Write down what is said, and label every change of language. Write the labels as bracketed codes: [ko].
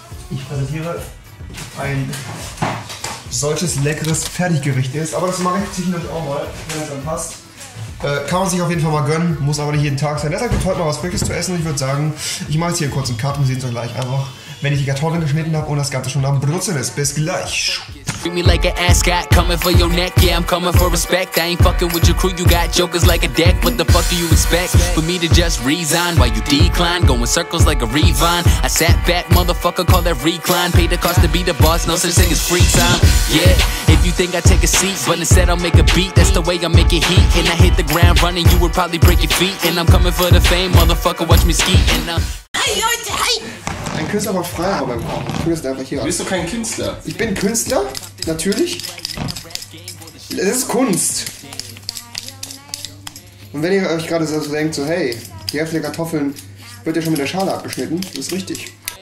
[de] Ich präsentiere ein solches leckeres Fertiggericht ist. Aber das mache ich zwischendurch auch mal, wenn es dann passt. Kann man sich auf jeden Fall mal gönnen, muss aber nicht jeden Tag sein. Deshalb gibt heute mal was Frisches zu essen. Ich würde sagen, ich mache jetzt hier kurz einen Cut und sehen es euch gleich einfach, wenn ich die Kartoffeln geschnitten habe und das Ganze schon am Brutzeln ist. Bis gleich. [en] Treat me like an ascot, coming for your neck. Yeah, I'm coming for respect. I ain't fucking with your crew. You got jokers like a deck. What the fuck do you expect? For me to just resign while you decline, going circles like a rewind. I sat back, motherfucker, call that recline. Paid the cost to be the boss. No such thing as free time. Yeah, if you think I take a seat, but instead I'll make a beat. That's the way I'm making heat. And I hit the ground running. You would probably break your feet. And I'm coming for the fame, motherfucker. Watch me ski. And I'm. [de] Ein Künstler macht Freiraum beim Kochen. Ich bin einfach hier. Bist du kein Künstler? Ich bin Künstler. Natürlich. Es ist Kunst. Und wenn ihr euch gerade so denkt, so hey, die Hälfte der Kartoffeln wird ja schon mit der Schale abgeschnitten. Das ist richtig.